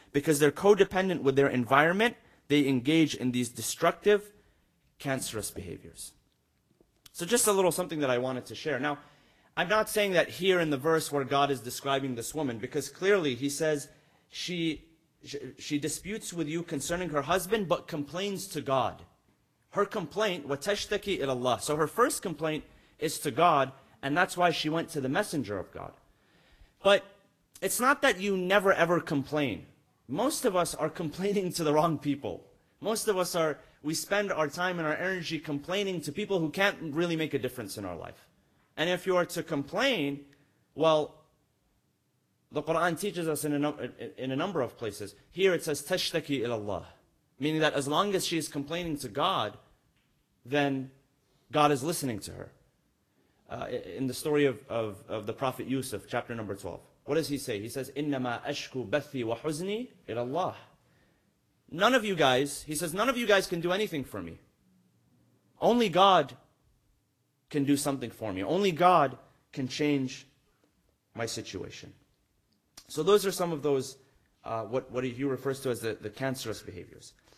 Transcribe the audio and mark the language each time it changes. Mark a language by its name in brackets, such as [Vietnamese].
[English] Because they're codependent with their environment, they engage in these destructive, cancerous behaviors. So just a little something that I wanted to share. Now, I'm not saying that here in the verse where God is describing this woman, because clearly he says she disputes with you concerning her husband, but complains to God. Her complaint, [Arabic] وَتَشْتَكِي إِلَى اللَّهِ. [English] So her first complaint is to God, and that's why she went to the messenger of God. But it's not that you never ever complain. Most of us are complaining to the wrong people. Most of us are, we spend our time and our energy complaining to people who can't really make a difference in our life. And if you are to complain, well, the Quran teaches us in a number of places. Here it says, [Arabic] تَشْتَكِي إِلَى اللَّهِ, [English] meaning that as long as she is complaining to God, then God is listening to her. In the story of the Prophet Yusuf, chapter number 12, what does he say? He says, [Arabic] إِنَّمَا أَشْكُو بَثِّي وَحُزْنِي إِلَى اللَّهِ. [English] None of you guys, he says, none of you guys can do anything for me. Only God can do something for me. Only God can change my situation. So those are some of those, what he refers to as the cancerous behaviors.